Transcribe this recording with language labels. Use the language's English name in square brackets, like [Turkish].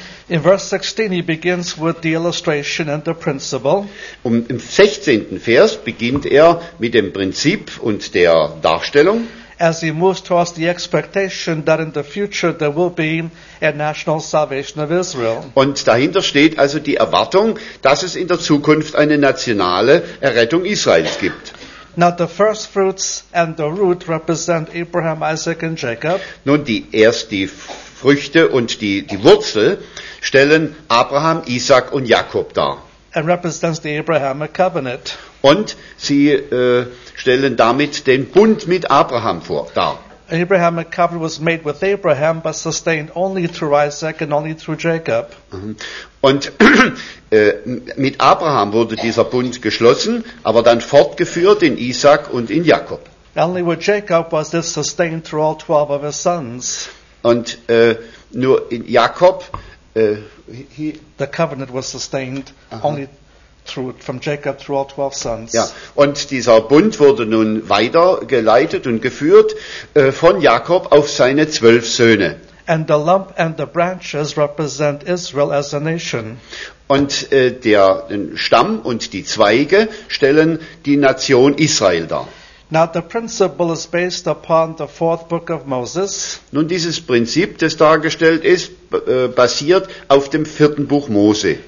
[English] In verse 16 he begins with the illustration and the principle. [German] Und im 16. Vers beginnt mit dem Prinzip und der Darstellung. [English] As he moves towards the expectation that in the future there will be a national salvation of Israel. [German] Und dahinter steht also die Erwartung, dass es in der Zukunft eine nationale Errettung Israels gibt. [English] Now the first fruits and the root represent Abraham, Isaac and Jacob. [German] Nun die Früchte und die Wurzel stellen Abraham, Isaac und Jakob dar. [English] And represents the Abrahamic covenant. [German] Und sie stellen damit den Bund mit Abraham dar. [English] Abrahamic covenant was made with Abraham, but sustained only through Isaac and only through Jacob. [German] Und mit Abraham wurde dieser Bund geschlossen, aber dann fortgeführt in Isaac und in Jakob. [English] Only with Jacob was this sustained through all 12 of his sons. [German] Und nur in Jakob [English] the covenant was sustained only from Jacob through all 12 sons. [German] Ja, und dieser Bund wurde nun weitergeleitet und geführt von Jakob auf seine 12 Söhne. [English] And the lump and the branches represent Israel as a nation. [German] Und den Stamm und die Zweige stellen die Nation Israel dar. [English] Now the principle is based upon the fourth book of Moses. [German] Nun dieses Prinzip, das dargestellt ist, basiert auf dem vierten Buch Mose.